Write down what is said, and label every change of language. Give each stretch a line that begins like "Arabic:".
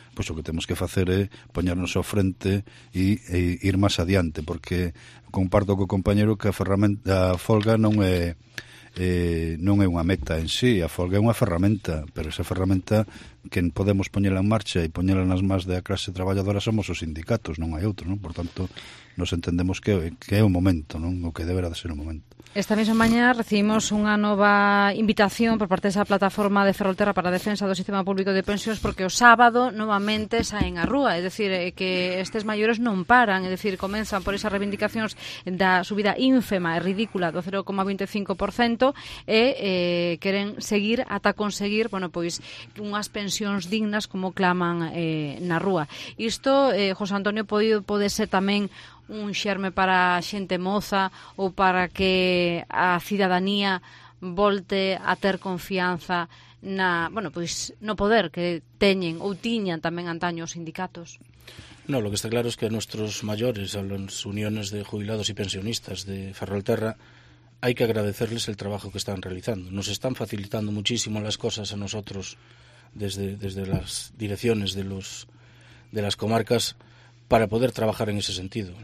Galician: Pois o que temos que facer é poñernos ao frente e ir máis adiante, porque comparto co compañeiro que a folga non é unha meta en sí, a folga é unha ferramenta, pero esa ferramenta que podemos poñela en marcha e poñela nas más da clase traballadora somos os sindicatos, non hai outro, non? Por tanto, nos entendemos que é o momento, non? O que deberá de ser o momento. Esta mesma mañá recibimos unha nova invitación por parte desa plataforma de Ferrolterra para a defensa do sistema público de pensións, porque o sábado novamente saen á rúa, é dicir, que estes maiores non paran, é dicir, comenzan por esas reivindicacións da subida ínfema e ridícula do 0,25% e queren seguir ata conseguir, bueno, pois, unhas pensións dignas como claman na rúa. Isto, José Antonio, pode ser tamén un xerme para a xente moza ou para que a cidadanía volte a ter confianza na, bueno, pois, no poder que teñen ou tiñan tamén antaño os sindicatos?
Spanish: No, lo que está claro es que a nuestros mayores, a las uniones de jubilados y pensionistas de Ferrolterra, hay que agradecerles el trabajo que están realizando. Nos están facilitando muchísimo las cosas a nosotros desde las direcciones de las comarcas para poder trabajar en ese sentido.